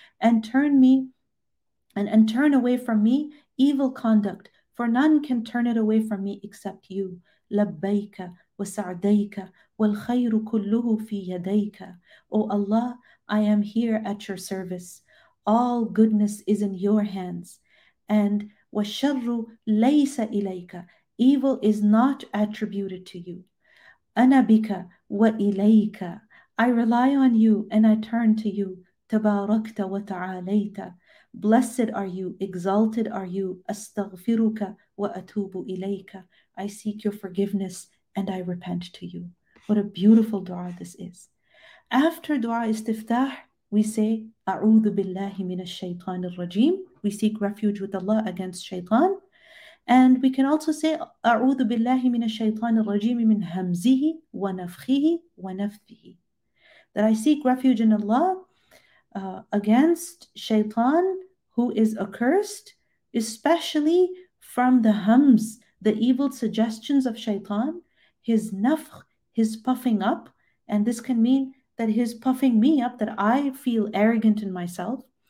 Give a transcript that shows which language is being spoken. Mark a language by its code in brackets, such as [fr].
[en] And turn me and turn away from me evil conduct, for none can turn it away from me except you. [ar] لَبَّيْكَ وَسَعْدَيْكَ وَالْخَيْرُ كُلُّهُ فِي يَدَيْكَ. [en] O Allah, I am here at your service. All goodness is in your hands. [ar] And وَالشَّرُّ لَيْسَ إِلَيْكَ. [en] Evil is not attributed to you. [ar] أَنَا بِكَ وَإِلَيْكَ. [en] I rely on you and I turn to you. [ar] تَبَارَكْتَ وَتَعَالَيْتَ. [en] Blessed are you, exalted are you. [ar] أَسْتَغْفِرُكَ وَأَتُوبُ إِلَيْكَ. [en] I seek your forgiveness and I repent to you. What a beautiful dua this is. After dua istiftah, we say, [ar] أعوذ بالله من الشيطان الرجيم. [en] We seek refuge with Allah against shaitan. And we can also say, [ar] أعوذ بالله من الشيطان الرجيم من همزه ونفخه ونفثه. [en] That I seek refuge in Allah against shaitan who is accursed, especially from the hams, the evil suggestions of shaitan, his nafkh, his puffing up. And this can mean that he's puffing me up, that I feel arrogant in myself.